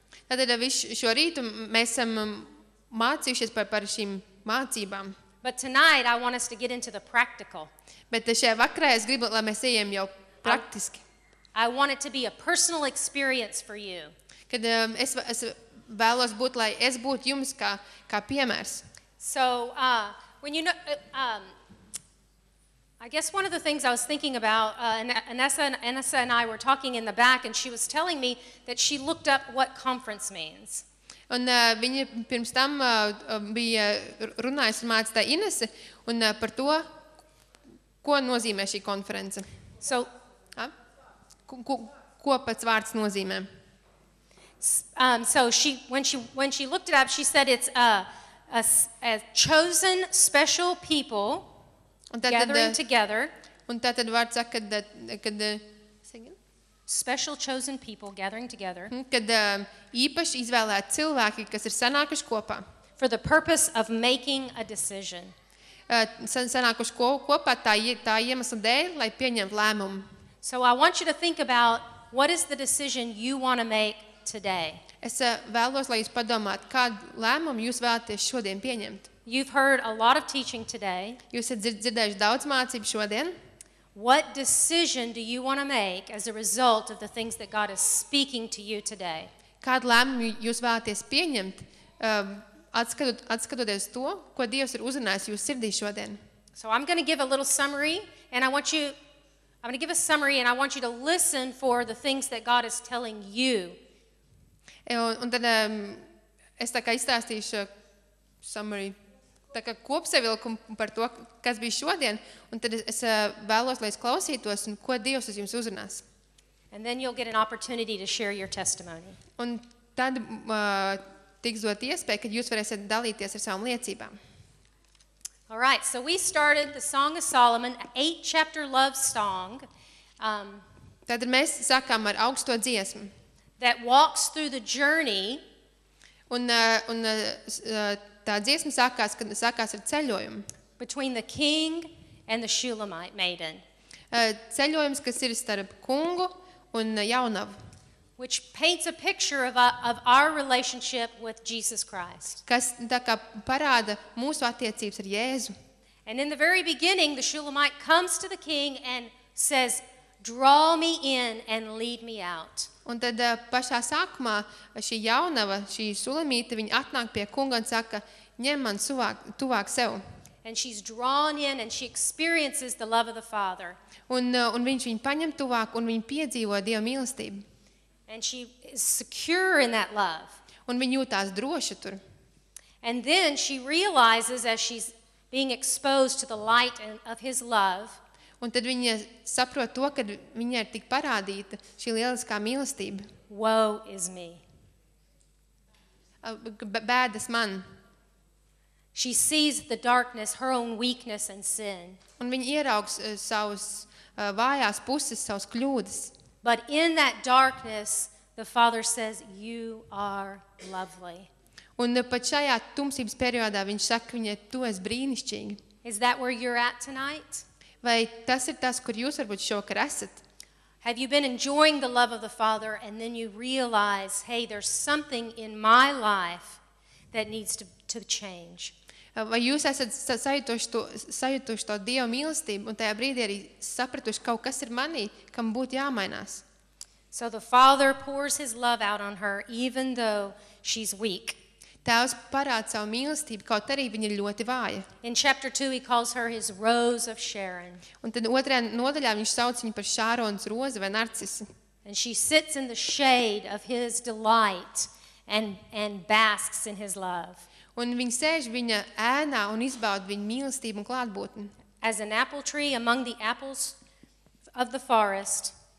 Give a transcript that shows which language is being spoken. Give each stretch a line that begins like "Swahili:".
Latvian: Tātad šo rītu mēs esam mācījušies par šīm mācībām.
English: But tonight I want us to get into the practical.
Latvian: Bet šajā vakarā es gribu, lai mēs ejam jau praktiski.
English: I want it to be a personal experience for you.
Latvian: Kad es vēlos būt, lai es būtu jums kā piemērs.
English: So, when you know, I guess one of the things I was thinking about, Anessa and I were talking in the back, and she was telling me that she looked up what conference means.
Latvian: Un viņa pirms tam bija runājusi ar mācītāju Inesi, un par to, ko nozīmē šī konference.
English: So,
Latvian: ko pats vārds nozīmē?
English: So she when she looked it up, she said it's a chosen special people gathering together.
Latvian: Un tātad vārds saka, kad
English: special chosen people gathering together.
Latvian: Kad īpaši izvēlēti cilvēki, kas ir sanākuši kopā.
English: For the purpose of making a decision.
Latvian: Sanākuši kopā tā iemesla dēļ, lai pieņemtu lēmumu.
English: So I want you to think about what is the decision you want to make today.
Latvian: Es vēlos, lai jūs padomāt, kādu lēmumu jūs vēlaties šodien pieņemt.
English: You've heard a lot of teaching today.
Latvian: Jūs esat dzirdējuši daudz mācību šodien.
English: What decision do you want to make as a result of the things that God is speaking to you today?
Latvian: Kādu lēmumu jūs vēlaties pieņemt, atskatoties to, ko Dievs ir uzrunājis jūsu sirdī šodien?
English: So I'm going to give a little summary and I want you to listen for the things that God is telling you.
Latvian: Un tad es tā kā izstāstīšu summary, tā kā kopsavilkumu par to, kas bija šodien, un tad es vēlos, lai es klausītos, un ko Dievs uz jums uzrunās.
English: And then you'll get an opportunity to share your testimony.
Latvian: Un tad tiks dot iespēja, kad jūs varēsiet dalīties ar savām liecībām.
English: All right, so we started the Song of Solomon, an 8-chapter love song.
Latvian: Tad mēs sākām ar augsto dziesmu.
English: That walks through the journey.
Latvian: Tā dziesma sākās, kad sākās ar ceļojumu.
English: Between the king and the Shulamite maiden.
Latvian: Ceļojums, kas ir starp kungu un jaunavu.
English: Which paints a picture of our relationship with Jesus Christ.
Latvian: Kas tā kā parāda mūsu attiecības ar Jēzu.
English: And in the very beginning, the Shulamite comes to the king and says, draw me in and lead me out.
Latvian: Un tad pašā sākumā šī jaunava, šī sulamīte, viņa atnāk pie kunga un saka, ņem man tuvāk sev.
English: And she's drawn in and she experiences the love of the Father.
Latvian: Un viņš viņu paņem tuvāk un viņa piedzīvo Dieva mīlestību.
English: And she is secure in that love.
Latvian: Un viņa jūtās droši tur.
English: And then she realizes as she's being exposed to the light of his love.
Latvian: Un tad viņa saprot to, kad viņai ir tik parādīta šī lieliskā mīlestība.
English: Woe is me.
Latvian: Bēdas man.
English: She sees the darkness, her own weakness and sin.
Latvian: Un viņa ieraugs savas vājās puses, savas kļūdas.
English: But in that darkness, the Father says, you are lovely.
Latvian: Un pat šajā tumsības periodā viņš saka viņai, tu esi brīnišķīgi.
English: Is that where you're at tonight?
Latvian: Vai tas ir tas, kur jūs varbūt šovakar esat?
English: Have you been enjoying the love of the Father and then you realize, hey, there's something in my life that needs to change?
Latvian: Vai jūs esat sajutuši to Dieva mīlestību un tajā brīdī arī sapratuši, kaut kas ir manī, kam būtu jāmainās?
English: So the Father pours his love out on her even though she's weak.
Latvian: Tēvs parāda savu mīlestību, kaut arī viņa ir ļoti vāja.
English: In chapter 2 he calls her his rose of Sharon.
Latvian: Un tad otrajā nodaļā viņš sauc viņu par Šārons rozi vai narcisi.
English: And she sits in the shade of his delight and basks in his love.
Latvian: Un viņa sēž viņa ēnā un izbauda viņa mīlestību un klātbūtni.
English: As an apple tree among the apples of the forest.